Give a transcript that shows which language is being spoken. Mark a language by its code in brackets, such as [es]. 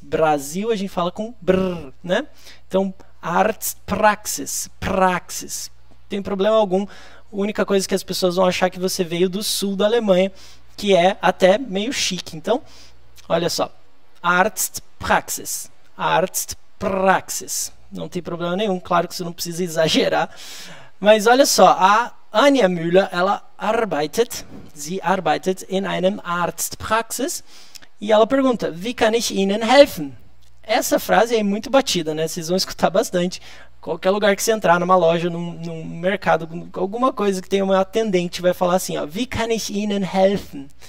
[pt] Brasil, a gente fala com BR, né? Então, Arztpraxis. Praxis. Não tem problema algum. A única coisa que as pessoas vão achar que você veio do sul da Alemanha, que é até meio chique. Então, olha só. Arztpraxis. Arztpraxis. Não tem problema nenhum, claro que você não precisa exagerar. Mas olha só, a Anja Müller, ela [de] arbeitet, sie arbeitet in einem Arztpraxis. [pt] E ela pergunta, [de] wie kann ich Ihnen helfen? [pt] Essa frase é muito batida, né? Vocês vão escutar bastante. Qualquer lugar que você entrar, numa loja, num mercado, alguma coisa que tenha uma atendente, vai falar assim, ó, [de] wie kann ich Ihnen helfen?